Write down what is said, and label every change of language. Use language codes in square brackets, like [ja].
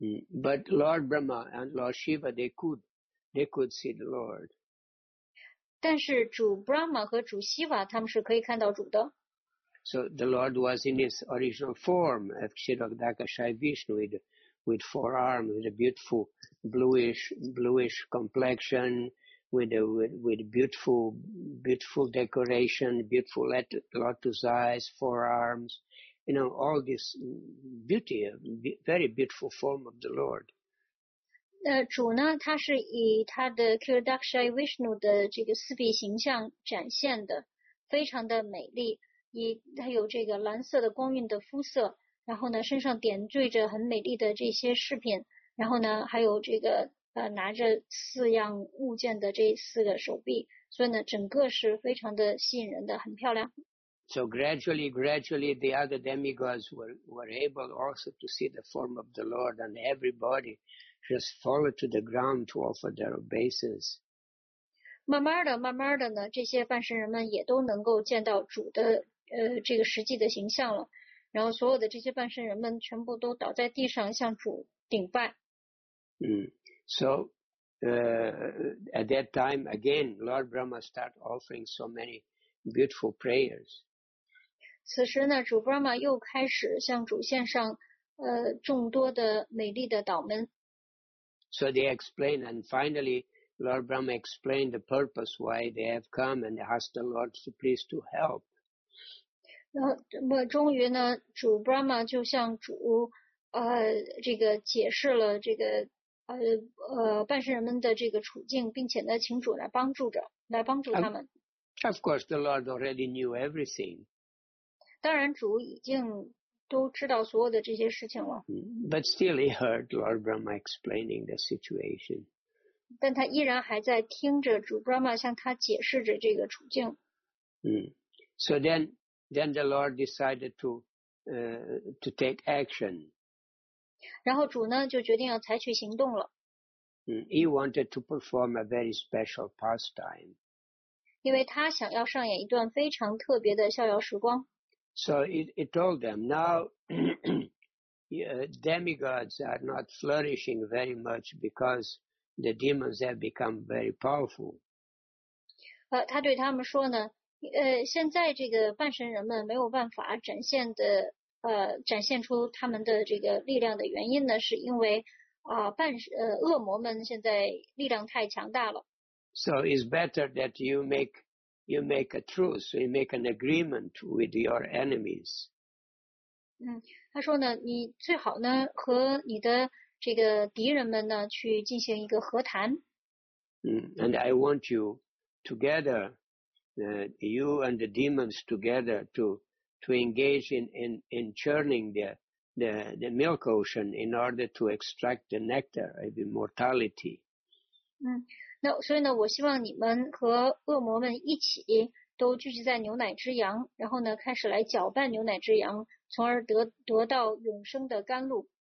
[en] But Lord Brahma and Lord Shiva, they could see the Lord. [zh] 但是主 Brahma 和主 Shiva 他们是可以看到主的。 [en] So the Lord was in his original form, Kshitakdakashai Vishnu, with four arms, with a beautiful bluish complexion, with beautiful decoration, beautiful lotus eyes, four arms. You know, all this beauty, very beautiful form of the Lord. [zh] 主呢，他是以他的 Kshitakshaya Vishnu 的这个四臂形象展现的，非常的美丽。以他有这个蓝色的光晕的肤色，然后呢，身上点缀着很美丽的这些饰品，然后呢，还有这个拿着四样物件的这四个手臂，所以呢，整个是非常的吸引人的，很漂亮。 [en] So gradually, the other demigods were able also to see the form of the Lord, and everybody just followed to the ground to offer their obeisance. [zh] 慢慢的呢，这些半身人们也都能够见到主的这个实际的形象了。然后所有的这些半身人们全部都倒在地上向主顶拜。 [en] So at that time again, Lord Brahma started offering so many beautiful prayers. [zh] 此时呢，主 Brahma 又开始向主献上众多的美丽的祷文。 [en] So they explained, and finally Lord Brahma explained the purpose why they have come and asked the Lord to please to help. [zh] 终于呢，主 Brahma 就向主这个解释了这个半身人们的这个处境，并且呢，请主来帮助他们。 [en] Of course, the Lord already knew everything. [zh] 当然主已经都知道所有的这些事情了。 [en] But still he heard Lord Brahma explaining the situation. [zh] 但他依然还在听着主 Brahma 向他解释着这个处境。 [en] So then the Lord decided to take action. [zh] 然后主呢就决定要采取行动了。 [en] He wanted to perform a very special pastime. [zh] 因为他想要上演一段非常特别的逍遥时光。 [en] So it told them, now demigods are not flourishing very much because the demons have become very powerful. [zh] 他对他们说呢，现在这个半神人们没有办法展现出他们的这个力量的原因呢，是因为恶魔们现在力量太强大了。 [en] So it's better that you make a truce, you make an agreement with your enemies. [zh] 他说呢，你最好呢和你的这个敌人们呢去进行一个和谈。 [en] And I want you together, you and the demons together to engage in churning the milk ocean in order to extract the nectar of immortality. [zh] 那所以呢，我希望你们和恶魔们一起都聚集在牛奶之羊，然后呢，开始来搅拌牛奶之羊，从而得到永生的甘露。